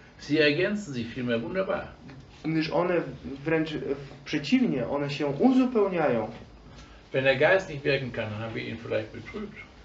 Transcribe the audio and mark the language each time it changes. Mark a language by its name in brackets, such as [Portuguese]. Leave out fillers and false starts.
[German] Sie ergänzen sich vielmehr wunderbar. [Polish] Gdyż one wręcz przeciwnie, one się uzupełniają. [German] Wenn der Geist nicht wirken kann, dann haben wir ihn vielleicht betrübt.